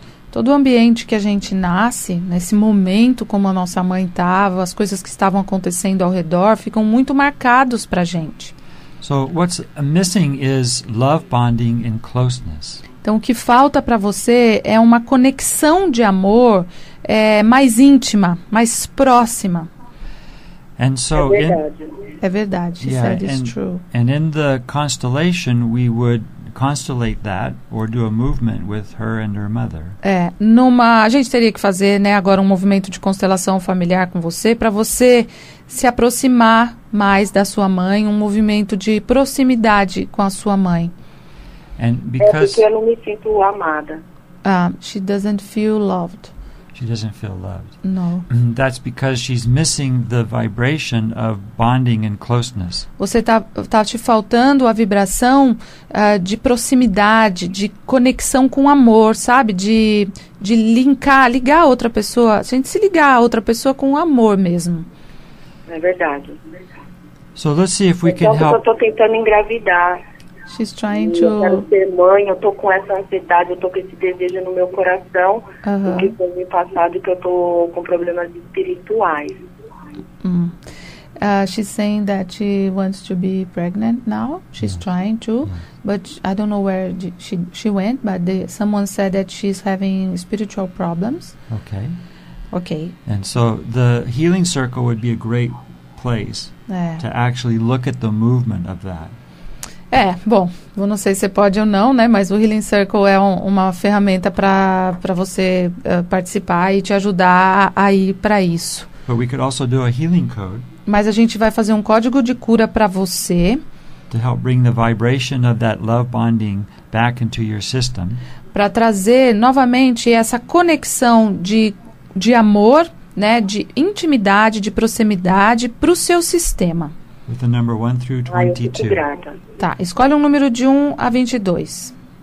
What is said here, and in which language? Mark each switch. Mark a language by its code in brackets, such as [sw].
[pt] Todo o ambiente que a gente nasce, nesse momento como a nossa mãe estava, as coisas que estavam acontecendo ao redor, ficam muito marcados para a gente. [en] So what's missing is love bonding and closeness. [pt] Então o que falta para você é uma conexão de amor mais íntima, mais próxima. [en] And so [pt] é verdade. [en] Yeah, is true. And in the constellation we would constellate that or do a movement with her and her mother. [pt] A gente teria que fazer, né, agora um movimento de constelação familiar com você para você se aproximar mais da sua mãe, um movimento de proximidade com a sua mãe. [en] And because [pt] é porque eu não me sinto amada. [en] She doesn't feel loved. She doesn't feel loved. No. That's because she's missing the vibration of bonding and closeness. [pt] Você tá te faltando a vibração de proximidade, de conexão com amor, sabe? De ligar a outra pessoa. A gente se ligar a outra pessoa com amor mesmo. É verdade. [en] So let's see if we can help. [pt] Eu tô tentando engravidar. [en] She's trying to... [pt] Eu quero ser mãe, eu tô com essa ansiedade, eu tô com esse desejo no meu coração, porque foi no passado que eu tô com problemas espirituais. [en] She's saying that she wants to be pregnant now. She's trying to, but I don't know where she went, but someone said that she's having spiritual problems. Okay. Okay. And so the healing circle would be a great place to actually look at the movement of that. [pt] É, bom, eu não sei se você pode ou não, né? Mas o Healing Circle é uma ferramenta para você participar e te ajudar a ir para isso. [en] But we could also do a healing code. [pt] Mas a gente vai fazer um código de cura para você. [en] To help bring the vibration of that love bonding back into your system. [pt] Para trazer novamente essa conexão de amor, né, de intimidade, de proximidade para o seu sistema. [en] With the number 1 through 22. [pt] Tá, escolhe um número de 1 a 22.